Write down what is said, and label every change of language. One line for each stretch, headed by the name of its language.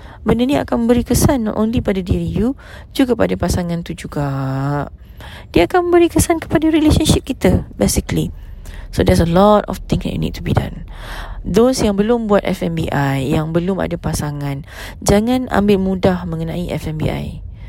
Malay: Benda ni akan beri kesan
English: not only
Malay: pada diri you, juga pada pasangan tu juga. Dia akan beri kesan kepada relationship kita, basically.
English: So there's a lot of things that you need to be done.
Malay: Those yang belum buat FMBI, yang belum ada pasangan, jangan ambil mudah mengenai FMBI.